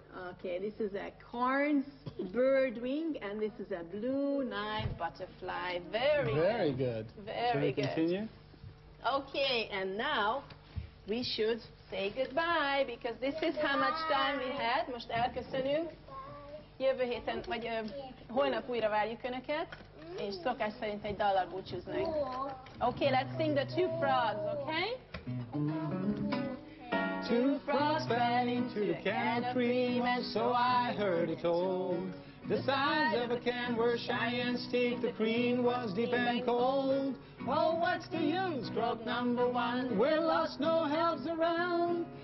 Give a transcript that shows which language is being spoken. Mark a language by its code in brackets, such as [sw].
[en] Okay, this is a Carnes bird wing, and this is a blue Nile butterfly. Very good. Shall we continue? Okay, and now we should say goodbye, because this is how much time we had. [hu] Most elköszönünk. Jövő héten, vagy holnap újra várjuk Önöket, és szokás szerint egy dallal búcsúznak. [en] Okay, let's sing the two frogs, okay? Two frogs fell into the canopy, and so I heard it told. The sides of a can were shy and steep, the cream was deep and cold. Oh, what's the use, frog number one, we're lost, no help's around.